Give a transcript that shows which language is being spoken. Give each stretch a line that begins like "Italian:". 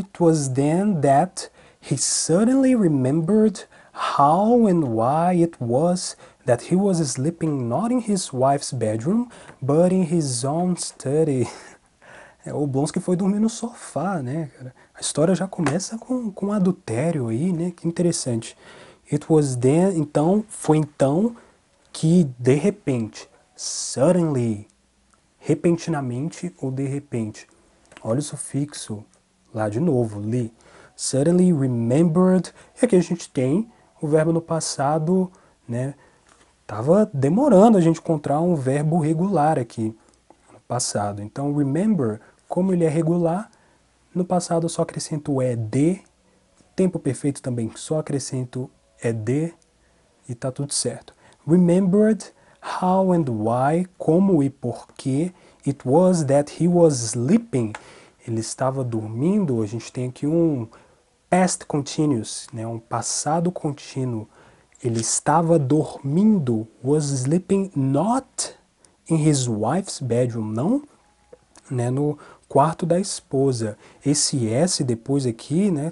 English: It was then that he suddenly remembered how and why it was that he was sleeping not in his wife's bedroom, but in his own study.
Portuguese: É, o Blonsky foi dormir no sofá, né, cara? A história já começa com adultério aí, né? Que interessante.
English: It was then,
Portuguese: então, foi então que, de repente, suddenly, repentinamente ou de repente. Olha o sufixo lá de novo, li.
English: Suddenly remembered.
Portuguese: E aqui a gente tem o verbo no passado, né? Tava demorando a gente encontrar um verbo regular aqui no passado. Então, remember. Como ele é regular, no passado eu só acrescento ed, tempo perfeito também só acrescento ed, e tá tudo certo.
English: Remembered how and why,
Portuguese: como e por que,
English: it was that he was sleeping.
Portuguese: Ele estava dormindo, a gente tem aqui um past continuous, né? Um passado contínuo. Ele estava dormindo,
English: was sleeping not in his wife's bedroom,
Portuguese: não? Né? No quarto da esposa. Esse S depois aqui, né?